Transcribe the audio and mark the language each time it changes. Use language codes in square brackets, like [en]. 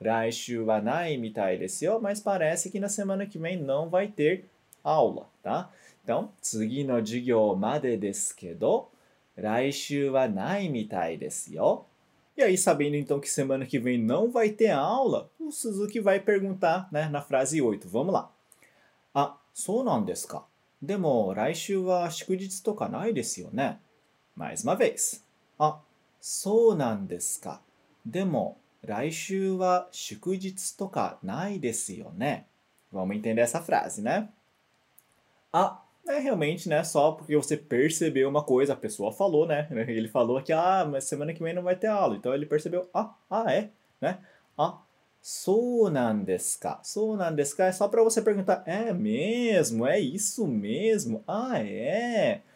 [ja] Raishu wa nai mitai desu yo, [pt] mas parece que na semana que vem não vai ter aula, tá? Então, [ja] 次の授業までですけど、raishu wa nai mitai desu yo. [pt] E aí, sabendo então que semana que vem não vai ter aula, o Suzuki vai perguntar, né, na frase 8. Vamos lá. [ja] Ah, そうなんですか? でも来週は祝日とかないですよね。 [pt] Mais uma vez. [ja] あ、そうなんですか。でも来週は祝日とかないですよね。 [pt] Vamos entender essa frase, né? あ、é realmente, né, só porque você percebeu uma coisa, a pessoa falou, né? Ele falou que, ah, mas semana que vem não vai ter aula. Então ele percebeu, ah, é, né? [ja] あ、そうなんですか。そうなんですか。 [pt] É só para você perguntar. É mesmo? É isso mesmo? Ah, é?